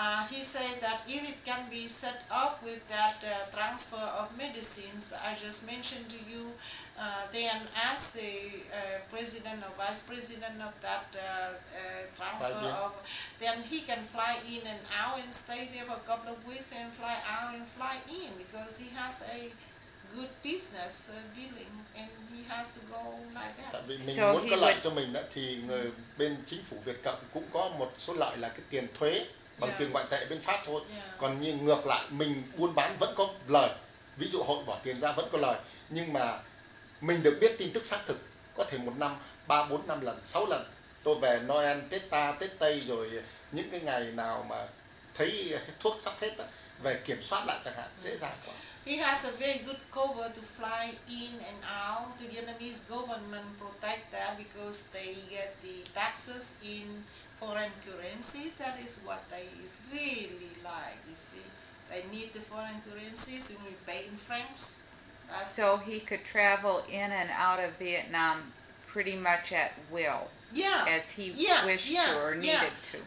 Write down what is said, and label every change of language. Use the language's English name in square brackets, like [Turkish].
[English] He said that if it can be set up with that transfer of medicines I just mentioned to you, then as a president or vice president of that transfer of, then he can fly in and out and stay there for a couple of weeks and fly out and fly in, because he has a good business dealing and he has to go like that. [Vietnamese] Tại vì mình muốn có lợi cho mình đó, thì người bên chính phủ Việt Cộng cũng có một số lợi là cái tiền thuế bằng tiền ngoại tệ bên Pháp thôi. Còn như ngược lại, mình buôn bán vẫn có lời, ví dụ hội bỏ tiền ra vẫn có lời, nhưng mà mình được biết tin tức xác thực, có thể một năm ba bốn năm lần, sáu lần tôi về Noel, Tết Ta, Tết Tây, rồi những cái ngày nào mà thấy thuốc sắp hết đó, về kiểm soát lại chẳng hạn, dễ dàng quá. [English] He has a very good cover to fly in and out. The Vietnamese government protect that because they get the taxes in foreign currencies, that is what they really like, you see. They need the foreign currencies and we pay in francs. So he could travel in and out of Vietnam pretty much at will, as he wished or needed to.